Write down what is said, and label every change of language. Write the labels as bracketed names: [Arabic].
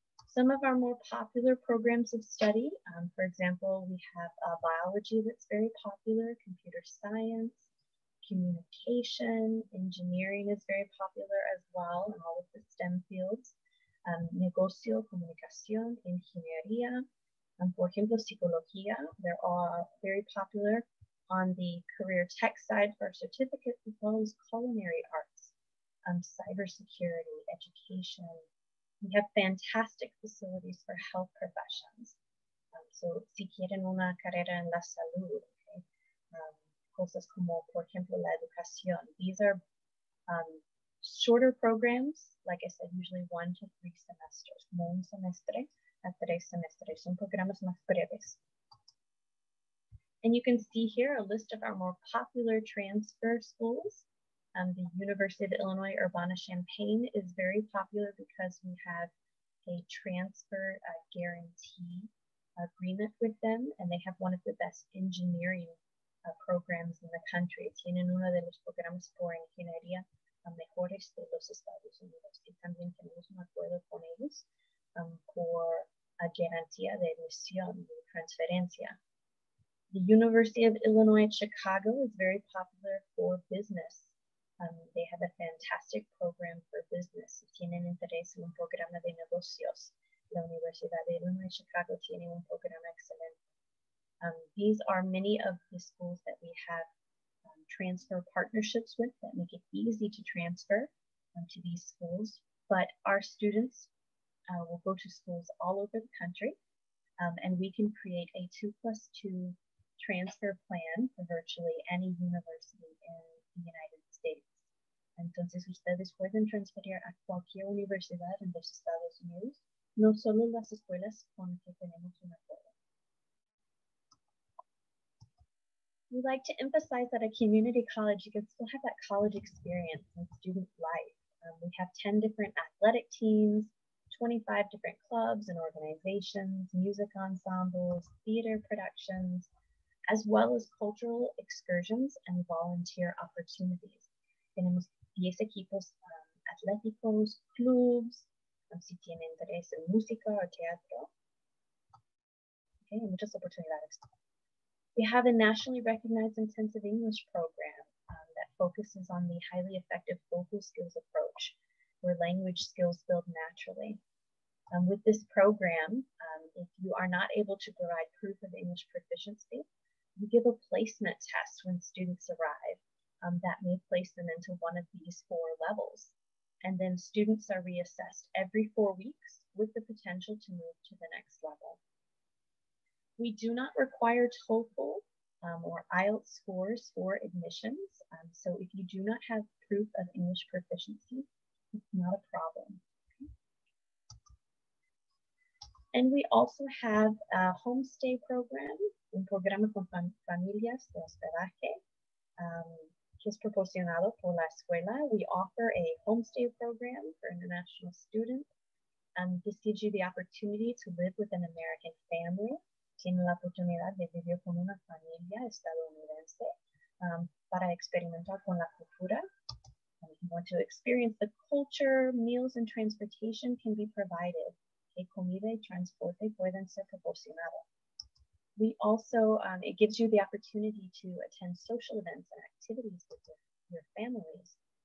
[English] Some of our more popular programs of study, for example, we have biology that's very popular, computer science, communication, engineering is very popular as well in all of the STEM fields, [Spanish] negocio, comunicación, ingeniería, [English] and for [Spanish] ejemplo, psicología, [English] they're all very popular on the career tech side for our certificate, as well as culinary arts, cybersecurity, education. We have fantastic facilities for health professions. [Spanish] So si quieren una carrera en la salud, okay? Cosas como, por ejemplo, la educación. [English] These are shorter programs, like I said, usually 1 to 3 semesters, [Spanish] como un semestre a 3 semestres. Son programas más breves. [English] And you can see here a list of our more popular transfer schools. The University of Illinois Urbana-Champaign is very popular because we have a transfer guarantee agreement with them, and they have one of the best engineering programs in the country. [Spanish] Tienen uno de los programas por ingeniería mejores de los Estados Unidos. Y también tenemos un acuerdo con ellos por garantía de admisión, de transferencia. [English] The University of Illinois Chicago is very popular for business. They have a fantastic program for business. [Spanish] Tienen interés en un programa de negocios. La Universidad de Illinois Chicago tiene un programa excelente. [English] These are many of the schools that we have transfer partnerships with that make it easy to transfer to these schools. But our students will go to schools all over the country, and we can create a 2+2 transfer plan for virtually any university in the United States. [Spanish] Entonces, ustedes pueden transferir a cualquier universidad en los Estados Unidos, no solo las escuelas con que tenemos un acuerdo. [English] We like to emphasize that a community college, you can still have that college experience in student life. We have 10 different athletic teams, 25 different clubs and organizations, music ensembles, theater productions, as well as cultural excursions and volunteer opportunities. [Spanish] Tenemos 10 equipos atléticos, clubs, si tienen interés en música o teatro. Okay, muchas oportunidades. [English] We have a nationally recognized intensive English program that focuses on the highly effective vocal skills approach, where language skills build naturally. With this program, if you are not able to provide proof of English proficiency, we give a placement test when students arrive. That may place them into one of these 4 levels. And then students are reassessed every 4 weeks with the potential to move to the next level. We do not require TOEFL or IELTS scores for admissions. So if you do not have proof of English proficiency, it's not a problem. And we also have a homestay program, [Spanish] un programa con familias de hospedaje. Que es proporcionado por la escuela. [English] We offer a homestay program for international students. This gives you the opportunity to live with an American family. [Spanish] Tiene la oportunidad de vivir con una familia estadounidense para experimentar con la cultura. [English] If you want to experience the culture, meals and transportation can be provided. Okay, [Spanish] comida y transporte pueden ser proporcionados. [English] We also, it gives you the opportunity to attend social events and activities with your families.